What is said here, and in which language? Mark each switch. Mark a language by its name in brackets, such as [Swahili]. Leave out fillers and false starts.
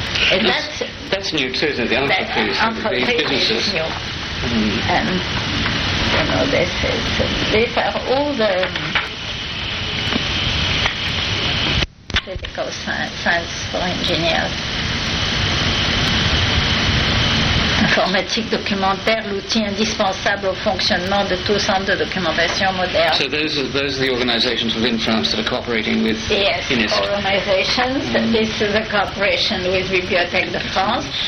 [English] And that's new too, isn't it? The entreprises. Mm. And, you know, these are all the critical science for engineers. [French] Informatique documentaire, l'outil indispensable au fonctionnement de tout centre de documentation moderne. [English] So those are the organizations within France that are cooperating with INIST. Yes, organizations. Mm. This is a cooperation with Bibliothèque de France.